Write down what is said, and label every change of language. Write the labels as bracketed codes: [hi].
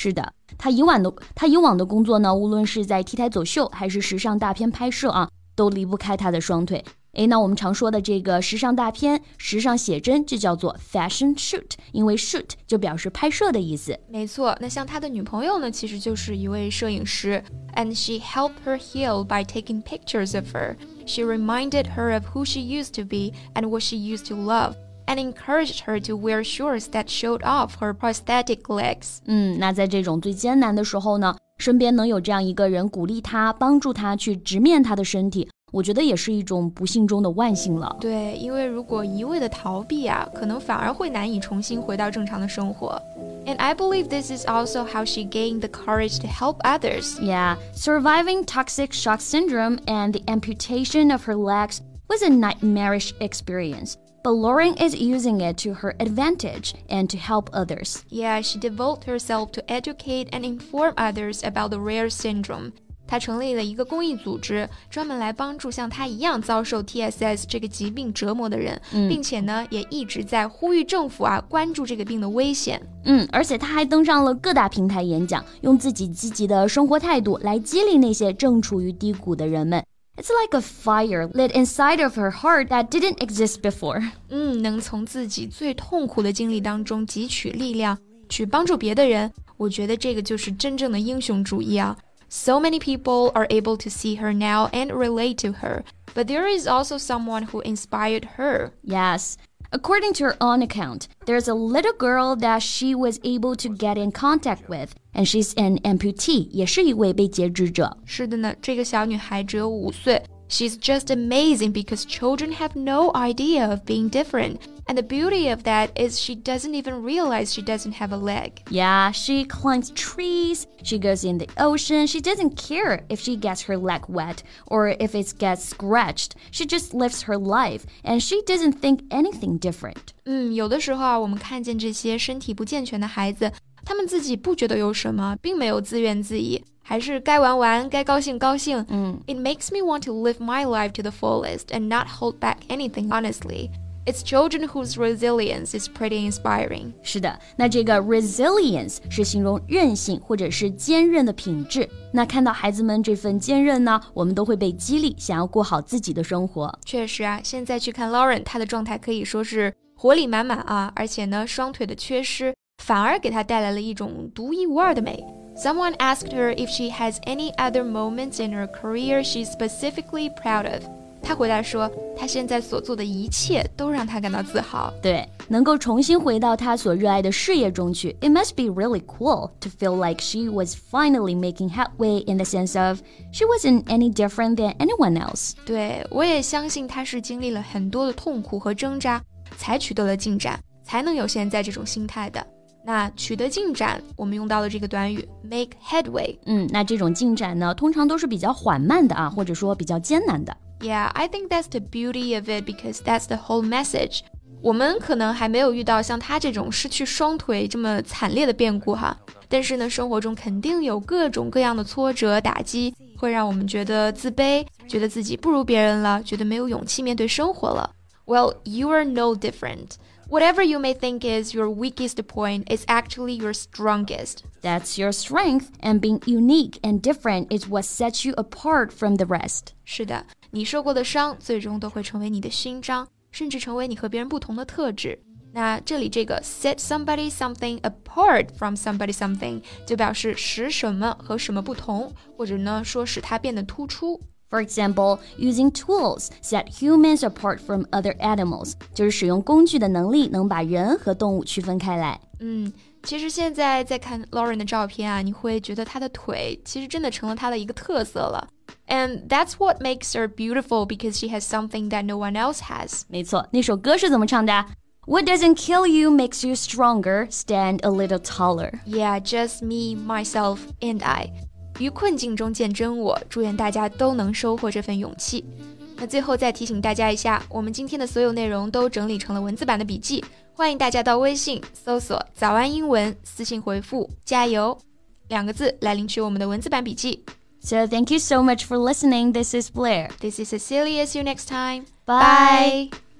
[zh] 是的。她以往的工作呢，无论是在 T 台走秀还是时尚大片拍摄啊，都离不开她的双腿。哎，那我们常说的这个时尚大片、时尚写真就叫做 fashion shoot， 因为 shoot 就表示拍摄的意思。没错，那像他的女朋友呢，其实就是一位摄影师。 [en] And she helped her heal by taking pictures of her. She reminded her of who she used to be and what she used to love, and encouraged her to wear shorts that showed off her prosthetic legs. [zh] 那在这种最艰难的时候呢，身边能有这样一个人鼓励她、帮助她去直面她的身体。我觉得也是一种不幸中的万幸了。对，因为如果一味的逃避啊，可能反而会难以重新回到正常的生活。 [en] And I believe this is also how she gained the courage to help others. Yeah, surviving toxic shock syndrome and the amputation of her legs was a nightmarish experience. But Lauren is using it to her advantage and to help others. Yeah, she devoted herself to educate and inform others about the rare syndrome. [zh] 她成立了一个公益组织，专门来帮助像她一样遭受 TSS 这个疾病折磨的人，并且呢，也一直在呼吁政府啊，关注这个病的危险。而且她还登上了各大平台演讲，用自己积极的生活态度来激励那些正处于低谷的人们。 [en] It's like a fire lit inside of her heart that didn't exist before. [zh] 能从自己最痛苦的经历当中汲取力量，去帮助别的人，我觉得这个就是真正的英雄主义啊。 [en] So many people are able to see her now and relate to her, but there is also someone who inspired her. Yes. According to her own account, there's a little girl that she was able to get in contact with, and she's an amputee, [zh] 也是一位被截肢者。是的呢，这个小女孩只有五岁。 [en] She's just amazing because children have no idea of being different. And the beauty of that is she doesn't even realize she doesn't have a leg. Yeah, she climbs trees, she goes in the ocean, she doesn't care if she gets her leg wet or if it gets scratched. She just lives her life, and she doesn't think anything different. [zh] 有的时候我们看见这些身体不健全的孩子，他们自己不觉得有什么，并没有自怨自艾。还是该玩玩，该高兴高兴。 [en] It makes me want to live my life to the fullest and not hold back anything, honestly. It's children whose resilience is pretty inspiring. [zh] 是的，那这个 resilience 是形容韧性或者是坚韧的品质。那看到孩子们这份坚韧呢，我们都会被激励，想要过好自己的生活。确实啊，现在去看 Lauren, 她的状态可以说是活力满满啊，而且呢，双腿的缺失反而给她带来了一种独一无二的美。 [en] Someone asked her if she has any other moments in her career she's specifically proud of. [zh] 她回答说，她现在所做的一切都让她感到自豪。对，能够重新回到她所热爱的事业中去。 [en] It must be really cool to feel like she was finally making headway in the sense of she wasn't any different than anyone else. [zh] 对，我也相信她是经历了很多的痛苦和挣扎，才取得了进展，才能有现在这种心态的。那取得进展，我们用到了这个短语 make headway。那这种进展呢，通常都是比较缓慢的啊，或者说比较艰难的。 [en] Yeah, I think that's the beauty of it because that's the whole message. [zh] 我们可能还没有遇到像他这种失去双腿这么惨烈的变故哈，但是呢，生活中肯定有各种各样的挫折打击，会让我们觉得自卑，觉得自己不如别人了，觉得没有勇气面对生活了。 [en] Well, you are no different. Whatever you may think is your weakest point is actually your strongest. That's your strength, and being unique and different is what sets you apart from the rest. [zh] 是的，你受过的伤最终都会成为你的勋章，甚至成为你和别人不同的特质。那这里这个 [en] set somebody something apart from somebody something [zh] 就表示使什么和什么不同，或者呢说使它变得突出。 [en] For example, using tools set humans apart from other animals. [zh] 就是使用工具的能力能把人和动物区分开来。其实现在在看 Lauren 的照片啊，你会觉得她的腿其实真的成了她的一个特色了。 [en] And that's what makes her beautiful because she has something that no one else has. [zh] 没错，那首歌是怎么唱的？ [en] What doesn't kill you makes you stronger, stand a little taller. Yeah, just me, myself, and I. [zh] 于困境中见真我，祝愿大家都能收获这份勇气。那最后再提醒大家一下，我们今天的所有内容都整理成了文字版的笔记，欢迎大家到微信搜索早安英文，私信回复加油两个字来领取我们的文字版笔记。 [en] So thank you so much for listening. This is Blair. This is Cecilia. See you next time. Bye.